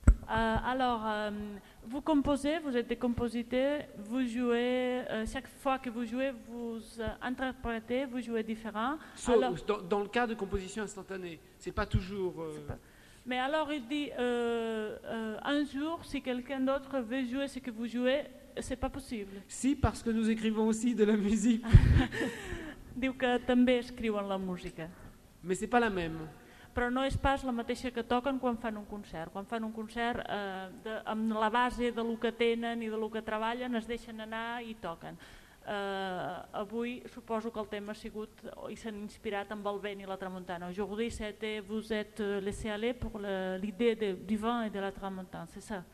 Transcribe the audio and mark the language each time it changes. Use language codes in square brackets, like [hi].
[fr] Alors, vous composez, vous êtes des compositeurs, vous jouez, chaque fois que vous jouez, vous interprétez, vous jouez différent. Dans le cas de composition instantanée, c'est pas toujours... Mais alors il dit, un jour, si quelqu'un d'autre veut jouer ce que vous jouez, c'est pas possible. Si, parce que nous écrivons aussi de la musique. [ca] Diu que també escriuen la música. [fr] Mais c'est pas la même. [ca] Però no és pas la mateixa que toquen quan fan un concert. Quan fan un concert, amb la base de lo que tenen i de lo que treballen, es deixen anar i toquen. Avui suposo que el tema ha sigut i s'han inspirat amb el vent i la tramuntana. [fr] Aujourd'hui, c'était vous êtes laissé aller pour l'idée du vent et de la tramuntana. C'est ça.